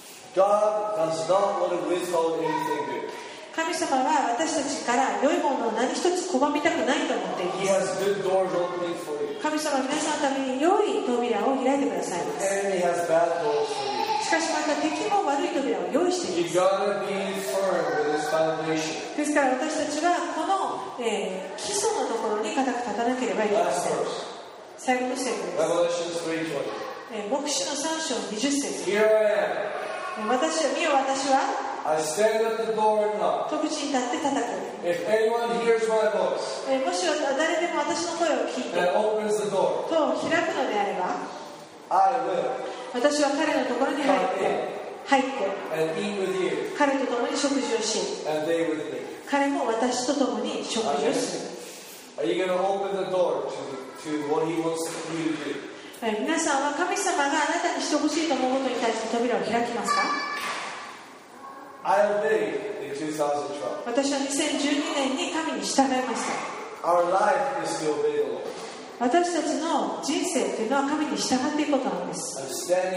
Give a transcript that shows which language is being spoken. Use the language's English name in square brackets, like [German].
[English] God does not want to withhold anything good. [Japanese] 神様は私たちから良いものを何一つ拒みたくないと思っています。 [English] He has good doors opening for you. [Japanese] 神様は皆さんのために良い扉を開いてくださいます。 [English] And he has bad doors for you. [Japanese] しかしまた敵も悪い扉を用意しています。ですから私たちはこの、基礎のところに固く立たなければいけません。最後の聖句です。黙示の3章20節、私は戸口に立って叩く。 [English] If anyone hears my voice, [Japanese] もし誰でも私の声を聞いて [English] and opens the door, [Japanese] と開くのであれば、 [English] I will. [Japanese] 私は彼のところに入って彼と共に食事をし、彼も私と共に食事をする。 [English] Are you going to open the door to what he wants for you to do? [Japanese] 皆さんは神様があなたにしてほしいと思うことに対して扉を開きますか？ [English] I obeyed in 2012. [Japanese] 私は2012年に神に従いました。 [English] Our life is to obey the Lord. [Japanese] 私たちの人生というのは神に従っていくことなんです。